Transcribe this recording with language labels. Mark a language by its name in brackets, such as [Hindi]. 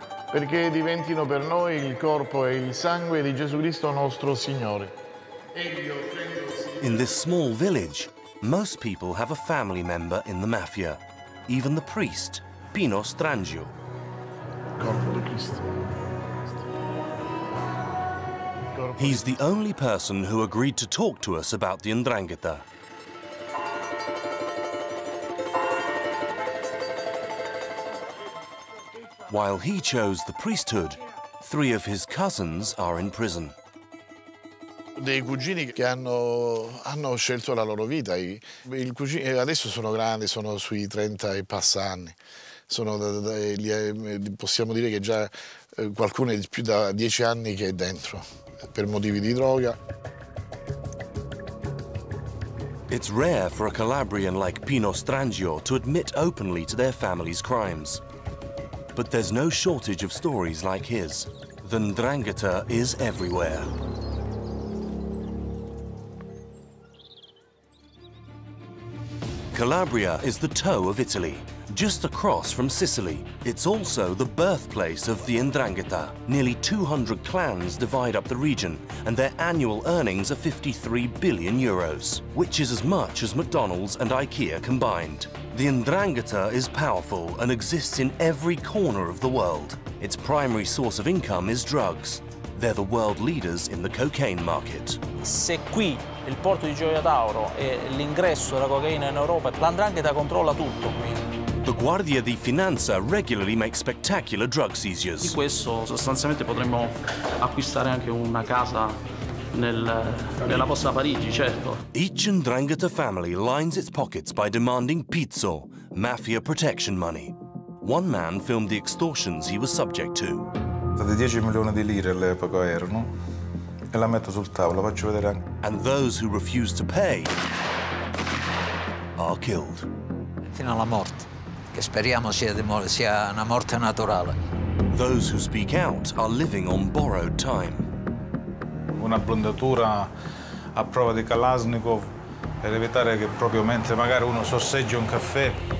[Italian] Perché diventino per noi il corpo e il sangue di Gesù Cristo nostro Signore. [English] In this small village, most people have a family member in the mafia, even the priest, Pino Strangio. [Italian] Corpo di Cristo. [English] He's the only person who agreed to talk to us about the Ndrangheta. While he chose the priesthood, three of his cousins are in prison. [Italian] Dei cugini che hanno scelto la loro vita. Il cugino, adesso sono grandi, sono sui 30 e passa anni. Sono possiamo dire che già qualcuno è più da 10 anni che è dentro per motivi di droga. [English] It's rare for a Calabrian like Pino Strangio to admit openly to their family's crimes. But there's no shortage of stories like his. The Ndrangheta is everywhere. Calabria is the toe of Italy, just across from Sicily. It's also the birthplace of the Ndrangheta. Nearly 200 clans divide up the region, and their annual earnings are 53 billion euros, which is as much as McDonald's and IKEA combined. The Ndrangheta is powerful and exists in every corner of the world. Its primary source of income is drugs. They're the world leaders in the cocaine market. [Italian] Se qui il porto di Gioia Tauro è l'ingresso della cocaina in Europa, la Ndrangheta controlla tutto qui. [English] The Guardia di Finanza regularly makes spectacular drug seizures. [Italian] Di questo sostanzialmente potremmo acquistare anche una casa nella vostra Parigi, certo. [English] Each Ndrangheta family lines its pockets by demanding pizzo, mafia protection money. One man filmed the extortions he was subject to. [Italian] Di 10 milioni di lire all'epoca erano e la metto sul tavolo, faccio vedere anche. [English] And those who refuse to pay are killed. [Italian] Fino alla morte, che speriamo sia una morte naturale. [English] Those who speak out are living on borrowed time. [Italian] Una blondatura a prova di Kalashnikov per evitare che proprio mentre magari uno sorseggia un caffè.